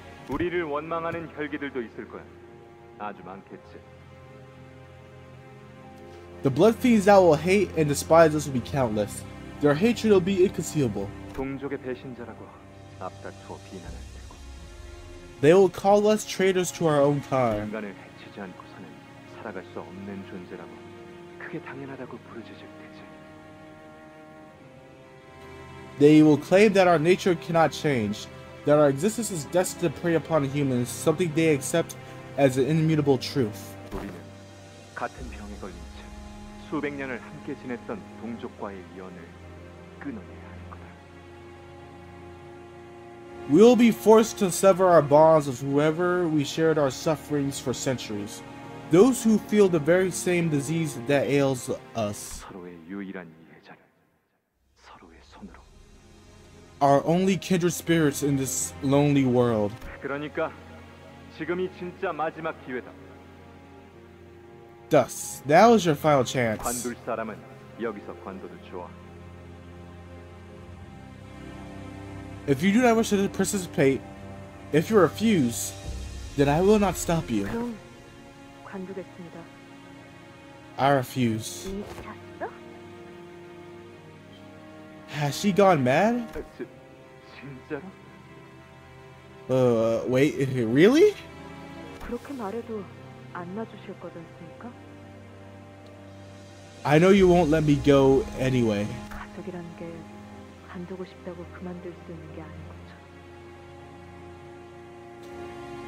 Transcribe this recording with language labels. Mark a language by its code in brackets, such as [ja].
[ko] 우리를 원망하는 혈기들도 있을 거야. 아주 많겠지. [en] The blood fiends that will hate and despise us will be countless. Their hatred will be inconceivable. [ko] 동족의 배신자라고 앞다투어 비난을 들고. [en] They will call us traitors to our own kind. [ko] 인간을 해치지 않고서는 살아갈 수 없는 존재라고 크게 당연하다고 부르짖을 테지. [en] They will claim that our nature cannot change, that our existence is destined to prey upon humans, something they accept as an immutable truth. [ko] 우리는 같은 병에 걸린 채 수백 년을 함께 지냈던 동족과의 연을 끊어내야 할 거다. [en] We will be forced to sever our bonds with whoever we shared our sufferings for centuries, those who feel the very same disease that ails us. [ko] 서로의 유일한 예자를 서로의 손으로. [en] Our only kindred spirits in this lonely world. [ko] 그러니까 지금이 진짜 마지막 기회다. [en] Thus, now is your final chance. [ko] 관둘 사람은 여기서 관둬도 좋아. [en] If you do not wish to participate, if you refuse, then I will not stop you. [ko] 그럼 관두겠습니다. [en] I refuse. [ko] 미쳤어? [en] Has she gone mad? [ko] 진짜로? [en] Wait, really? [ko] 그렇게 말해도 안 놔주실 거잖습니까? [en] I know you won't let me go anyway. [ko] 가족이란 게 관두고 싶다고 그만둘 수 있는 게 아닌 거죠.